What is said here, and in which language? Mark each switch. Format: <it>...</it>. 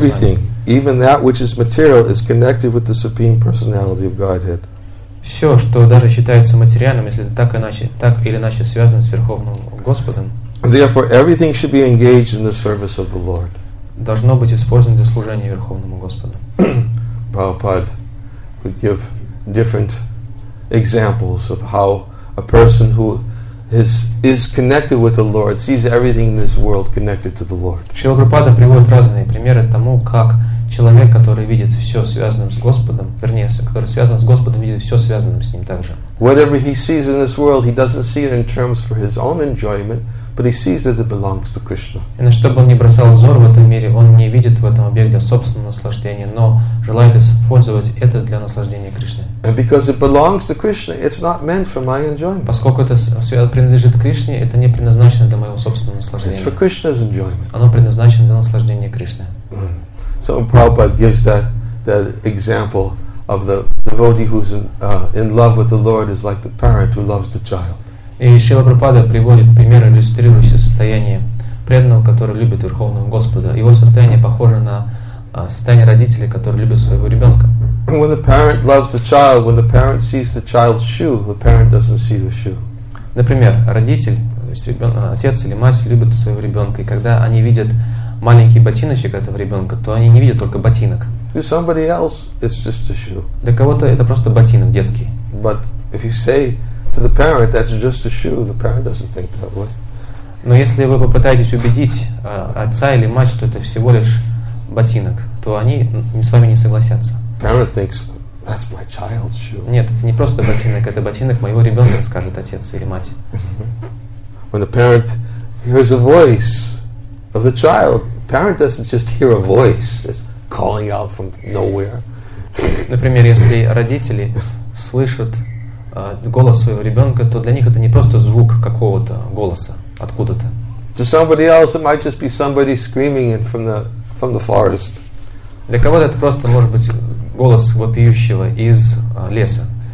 <en>Everything, even that which is material, is connected with the Supreme Personality of Godhead.</en> <ru>все, что даже считается материальным, если это так, иначе, так или иначе связано с Верховным Господом,</ru> <en>therefore, everything should be engaged in the service of the Lord.</en> <ru>Должно быть использовано для служения Верховному Господу.</ru> <en>Prabhupada would give different examples of how a person who is connected with the Lord sees everything in this world connected to the Lord.</en> <ru>Шрила Прабхупада приводит разные примеры тому, как человек, который видит все связанным с Господом, вернее, который связан с Господом, видит все связанным с ним также.</ru> <en>Whatever he sees in this world, he doesn't see it in terms for his own enjoyment, but he sees that it belongs to Krishna.</en> <ru>И на что бы он ни бросал взор в этом мире, он не видит в этом объекте собственного наслаждения, но желает использовать это для наслаждения Кришны.</ru> <en>And because it belongs to Krishna, it's not meant for my enjoyment.</en> <ru>Поскольку это принадлежит Кришне, это не предназначено для моего собственного наслаждения.</ru> <en>It's for Krishna's enjoyment.</en> <ru>Оно предназначено для наслаждения Кришны.</ru> <en>So Prabhupada gives that example of the devotee who's in love with the Lord is like the parent who loves the child.</en> <ru>И Шрила Прабхупада приводит пример, иллюстрирующий состояние преданного, который любит Верховного Господа. Его состояние похоже на состояние родителя, который любит своего ребенка.</ru> <en>When the parent loves the child, when the parent sees the child's shoe, the parent doesn't see the shoe.</en> <ru>Например, родитель, то есть отец или мать любит своего ребенка, и когда они видят маленький ботиночек этого ребенка, то они не видят только ботинок.</ru> <en>To somebody else, it's just a shoe.</en> <ru>Для кого-то это просто ботинок детский.</ru> <en>But if you say to the parent, that's just a shoe, the parent doesn't think that way.</en> <ru>Но если вы попытаетесь убедить отца или мать, что это всего лишь ботинок, то они с вами не согласятся.</ru> <en>Parent thinks, that's my child's shoe.</en> <ru>Нет, это не просто ботинок, это ботинок моего ребенка, скажет отец или мать.</ru> <en>When the parent hears a voice of the child, parent doesn't just hear a voice, it's calling out from nowhere.</en> <ru>Например, если родители слышат голос своего ребенка, то для них это не просто звук какого-то голоса откуда-то.</ru> <en>To somebody else, it might just be somebody screaming it from the forest.</en> <ru>Для кого-то это просто может быть голос вопиющего из леса.</ru>